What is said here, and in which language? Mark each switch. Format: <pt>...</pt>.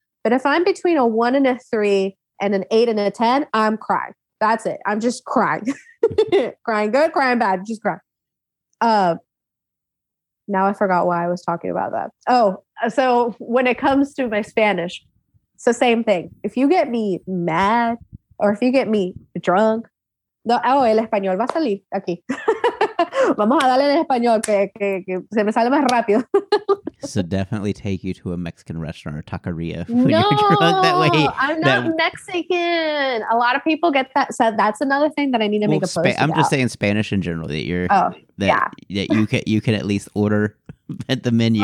<en>But if I'm between a 1 and a 3 and an 8 and a 10, I'm crying. That's it. I'm just crying. Crying good, crying bad, just crying. Now I forgot why I was talking about that. Oh, so when it comes to my Spanish, it's the same thing. If you get me mad or if you get me drunk,</en> <es>el español va a salir aquí. Vamos a darle en español, que se me sale más rápido.</es> <en>So definitely take you to a Mexican restaurant or taqueria. No, you're drunk that way. I'm not Mexican. A lot of people get that. So that's another thing that I need to make a post about. I'm just saying Spanish in general, that you're, that you can at least order at the menu.</en>